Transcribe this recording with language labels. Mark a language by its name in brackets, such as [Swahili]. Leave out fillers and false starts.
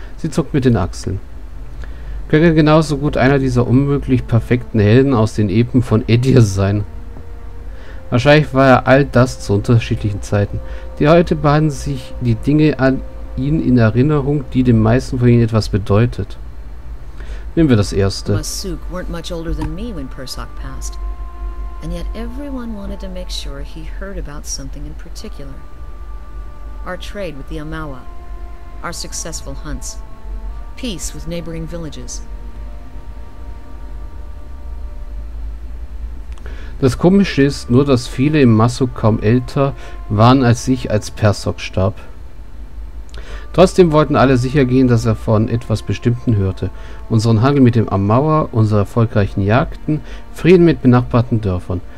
[German] Sie zuckt mit den Achseln. Könnte genauso gut einer dieser unmöglich perfekten Helden aus den Epen von Edir sein. Wahrscheinlich war er all das zu unterschiedlichen Zeiten. Die heute bahnen sich die Dinge an ihn in Erinnerung, die den meisten von ihnen etwas bedeutet. Nehmen wir das Erste. [English] Masuk weren't much older than me when Persok passed. And yet everyone wanted to make sure he heard about something in particular. Our trade with the Amawa. Our successful hunts. Peace with neighboring villages. [German] Das Komische ist nur, dass viele im Masuk kaum älter waren als ich, als Persok starb. Trotzdem wollten alle sicher gehen, dass er von etwas Bestimmten hörte. Unseren Handel mit dem Amauer, unsere erfolgreichen Jagden, Frieden mit benachbarten Dörfern.